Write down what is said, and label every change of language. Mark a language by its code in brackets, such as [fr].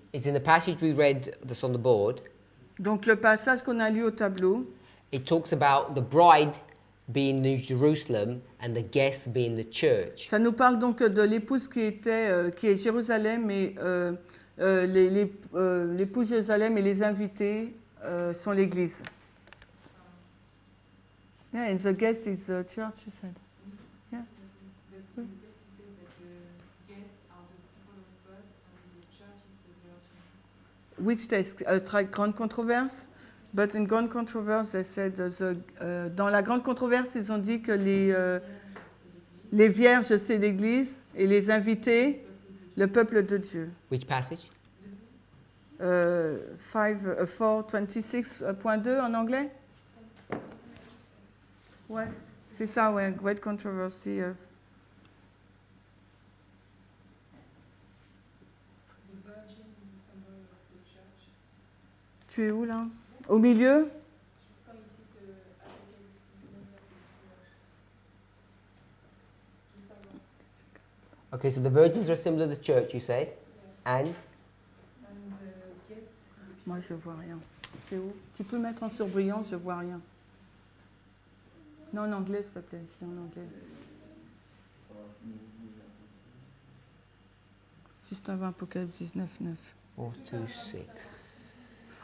[en] Is in the passage we read that's on the board. [fr] Donc le passage qu'on a lu au tableau. [en] It talks about the bride being New Jerusalem and the guests being the church. [fr] Ça nous parle donc de l'épouse qui est Jérusalem et l'épouse Jérusalem et les invités sont l'église. [en] Yeah, and the guest is the church, you said. Which is a grand controversy, but in grand controversy, they said [fr] dans la grande controverse, ils ont dit que les vierges c'est l'Église et les invités le peuple de Dieu. [en] Which passage? [fr] 4:26.2 en anglais. Ouais, c'est ça. Ouais, great controversy. [en] The virgin is a symbol of the church. [fr] Tu es où là? Au milieu? [en] Okay, so the virgins are similar to the church, you said? Yes. And? And the guest. [fr] Moi, je vois rien. C'est où? Tu peux mettre en surbrillant, je vois rien. Non, en anglais, s'il te plaît. C'est en anglais. Juste avant Apocalypse 19:9. 4, 2, 6.